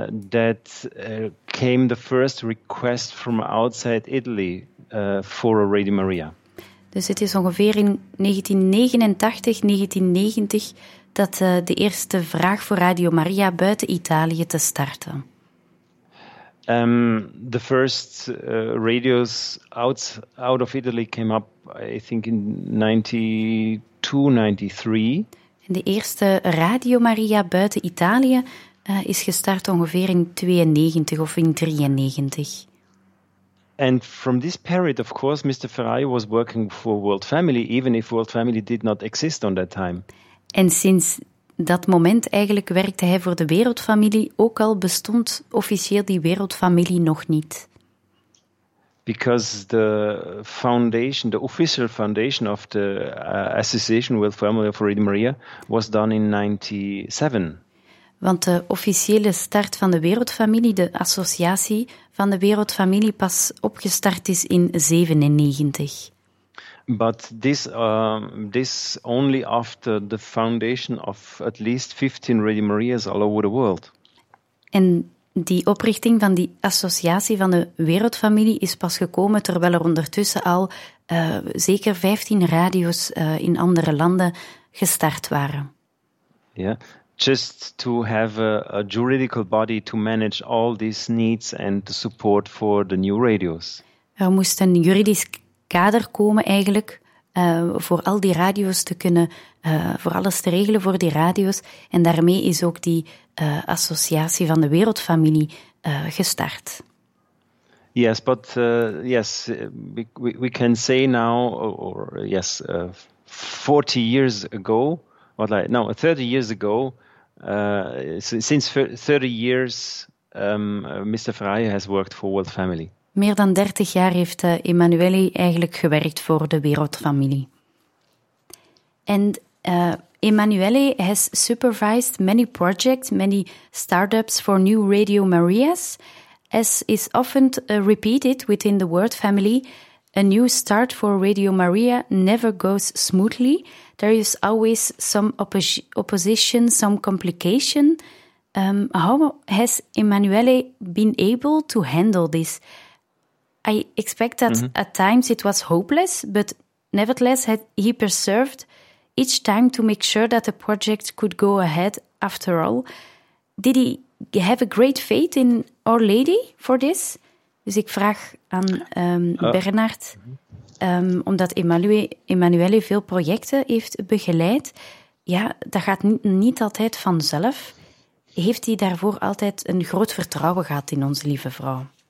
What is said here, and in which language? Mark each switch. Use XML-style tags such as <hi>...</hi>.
<en>That came the first request from outside Italy for a Radio Maria.</en> <nl>Dus het is ongeveer in 1989, 1990 dat de eerste vraag voor Radio Maria buiten Italië te starten.</nl> <en>The first radios out of Italy came up, I think, in 92, 93.</en> <nl>En de eerste Radio Maria buiten Italië is gestart ongeveer in 92 of in 93.</nl> <en>And from this period, of course, Mr. Ferrari was working for World Family, even if World Family did not exist on that time.</en> <nl>En sinds dat moment eigenlijk werkte hij voor de Wereldfamilie, ook al bestond officieel die Wereldfamilie nog niet.</nl> <en>Because the foundation, the official foundation of the association World Family of Radio Maria, was done in 97.</en> <nl>Want de officiële start van de Wereldfamilie, de associatie van de Wereldfamilie, pas opgestart is in 97.</nl> <en>But this only after the foundation of at least 15 Radio Maria's all over the world.</en> <nl>En die oprichting van die associatie van de Wereldfamilie is pas gekomen terwijl er ondertussen al zeker 15 radio's in andere landen gestart waren. Ja.</nl> <en>Yeah. Just to have a juridical body to manage all these needs and the support for the new radios.</en> <nl>Er moest een juridisch kader komen eigenlijk voor al die radio's te kunnen, voor alles te regelen voor die radio's. En daarmee is ook die associatie van de Wereldfamilie gestart.</nl> <en>Yes, but yes, we can say now, or 40 years ago, what like no, 30 years ago, since 30 years, Mr. Ferrari has worked for World Family.</en> <nl>Meer dan 30 jaar heeft Emanuele eigenlijk gewerkt voor de Wereldfamilie.</nl> <en>And Emanuele has supervised many projects, many startups for new Radio Marias. As is often repeated within the World Family, a new start for Radio Maria never goes smoothly. There is always some opposition, some complication. How has Emanuele been able to handle this? I expect that at times it was hopeless, but nevertheless he persevered each time to make sure that the project could go ahead after all. Did he have a great faith in Our Lady for this?</en> <nl>Dus ik vraag aan Bernard, omdat Emanuele veel projecten heeft begeleid. Ja, dat gaat niet altijd vanzelf. Heeft hij daarvoor altijd een groot vertrouwen gehad in onze lieve vrouw?</nl>